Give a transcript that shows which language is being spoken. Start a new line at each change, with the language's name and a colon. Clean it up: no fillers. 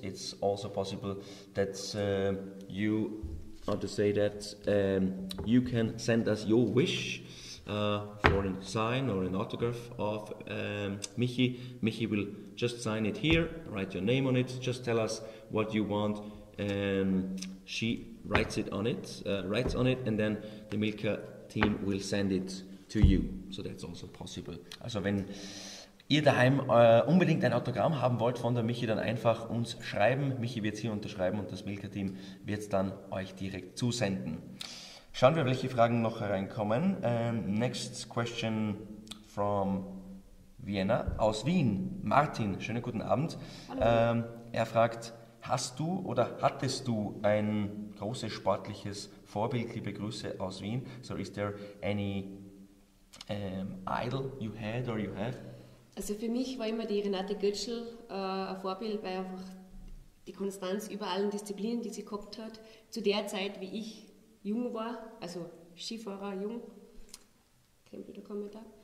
English: It's also possible that you, or to say that you can send us your wish for a sign or an autograph of Michi. Michi will just sign it here, write your name on it. Just tell us what you want. She writes it on it, and then the Milka team will send it to you, so that's also possible.
German: Also wenn ihr daheim unbedingt ein Autogramm haben wollt von der Michi, dann einfach uns schreiben. Michi wird es hier unterschreiben und das Milka-Team wird es dann euch direkt zusenden. Schauen wir, welche Fragen noch hereinkommen.
English: Next question from Vienna,
German: aus Wien. Martin, schönen guten Abend. Er fragt, hast du oder hattest du ein großes sportliches Vorbild? Liebe Grüße aus Wien.
English: So is there any idol you had or you have?
German: Also für mich war immer die Renate Götschl ein Vorbild, weil einfach die Konstanz über allen Disziplinen, die sie gehabt hat, zu der Zeit, wie ich jung war, also Skifahrer jung, kein Bilderkommentar.